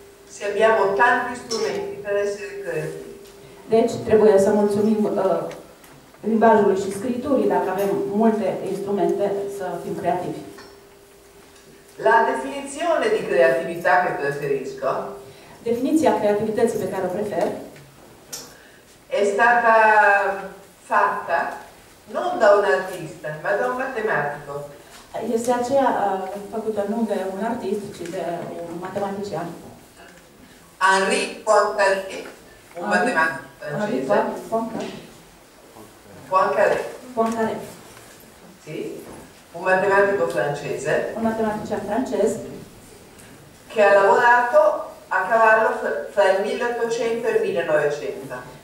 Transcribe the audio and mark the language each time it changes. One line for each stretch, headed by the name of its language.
Italian: Se abbiamo tanti strumenti per essere creativi.
Romanian: Deci trebuie să mulțumim limbajului și scriturii dacă avem multe instrumente să fim creativi.
Italian: La definizione di creatività che preferisco.
Romanian: Definiția creativității pe care o prefer.
Italian: È stata fatta non da un artista, ma da un matematico.
Romanian: Este aceea făcută nu de un artist, ci de un matematician.
Italian: Henri Poincaré, un matematico francese.
Romanian: Poincaré.
Italian: Sì, un matematico francese. Un matematico francese. Che ha lavorato a cavallo tra il 1800 e il 1900.